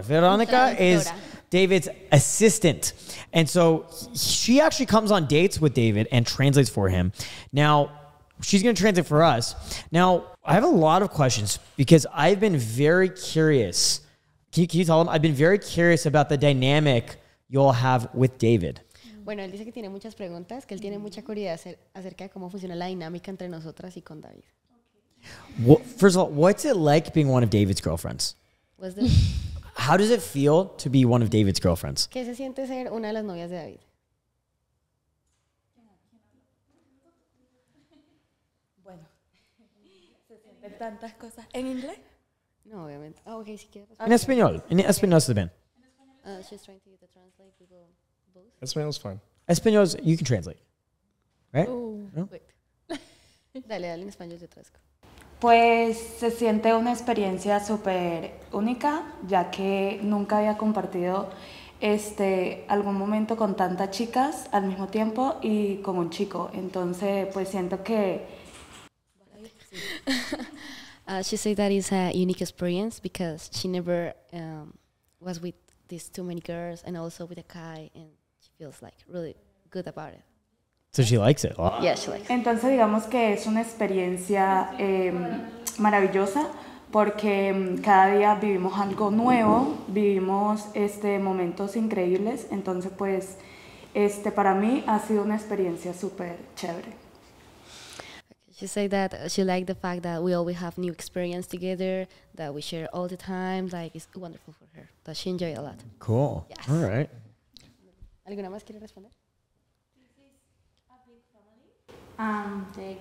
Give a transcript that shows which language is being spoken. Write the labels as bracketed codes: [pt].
[en] Veronica is David's assistant. And so she actually comes on dates with David and translates for him. Now, she's going to translate for us. Now, I have a lot of questions because I've been very curious. Can you tell them? I've been very curious about the dynamic you'll have with David. [es] Bueno, él dice que tiene muchas preguntas, que él tiene mucha curiosidad acerca de cómo funciona la dinámica entre nosotras y con David. [en] First of all, what's it like being one of David's girlfriends? How does it feel to be one of David's girlfriends? [es] ¿Qué se siente ser una de las novias de David? Tantas cosas. ¿En inglés? No, obviamente. Oh, okay, si quieres. En español. En español está bien. [en] She's trying to get the translate to go both. [es] Español es fine. [en] Español, you can translate. Right? [es] No? Wait. Dale, dale en español de tres. Pues se siente una experiencia súper única, ya que nunca había compartido algún momento con tantas chicas al mismo tiempo y con un chico. Entonces, pues siento que... [en] She said that it's a unique experience because she never was with these too many girls and also with a guy, and she feels like really good about it. So she likes it a lot. Yeah, she likes it. [es] Entonces digamos que es una experiencia maravillosa porque cada día vivimos algo nuevo, vivimos momentos increíbles. Entonces pues para mí ha sido una experiencia super chévere. [en] She said that she liked the fact that we always have new experience together, that we share all the time. Like, it's wonderful for her, that she enjoyed it a lot. Cool. Yes. All right. [es] ¿Alguna más quiere responder? [en] This is a big family.